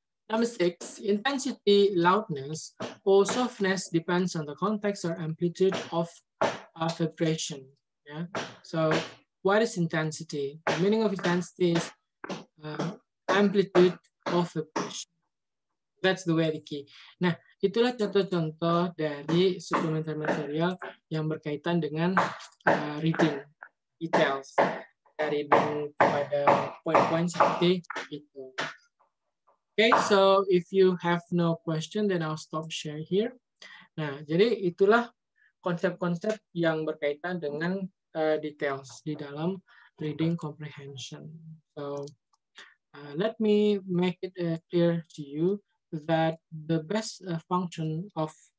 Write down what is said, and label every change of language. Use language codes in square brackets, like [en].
[en] Number six, intensity, loudness, or softness depends on the context or amplitude of vibration. Yeah. So what is intensity? The meaning of intensity is amplitude of vibration. That's the way the key. [id] Nah, itulah contoh-contoh dari [en] supplemental material [id] yang berkaitan dengan [en] reading details [id] dari pada poin-poin seperti itu. [en] Okay, so if you have no question, then I'll stop share here. [id] Nah, jadi itulah konsep-konsep yang berkaitan dengan details di dalam reading comprehension. [en] So let me make it clear to you that the best function of